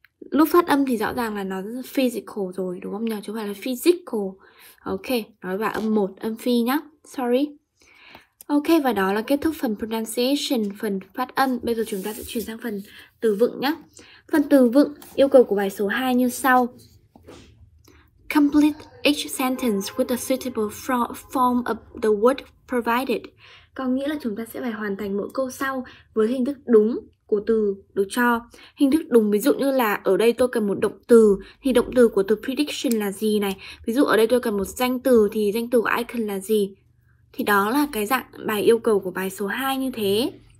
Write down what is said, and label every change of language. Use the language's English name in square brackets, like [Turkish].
[Vietnamese] Lúc phát âm thì rõ ràng là nó physical rồi, đúng không nhỉ? Chứ không phải là physical. Ok, nói vào âm 1 âm phi nhá. Sorry. Ok, và đó là kết thúc phần pronunciation, phần phát âm. Bây giờ chúng ta sẽ chuyển sang phần từ vựng nhé. Phần từ vựng, yêu cầu của bài số 2 như sau. [English] Complete each sentence with a suitable form of the word provided. [Vietnamese] Có nghĩa là chúng ta sẽ phải hoàn thành mỗi câu sau với hình thức đúng của từ được cho. Hình thức đúng ví dụ như là ở đây tôi cần một động từ, thì động từ của từ prediction là gì này. Ví dụ ở đây tôi cần một danh từ, thì danh từ của icon là gì. Thì đó là cái dạng bài yêu cầu của bài số 2 như thế.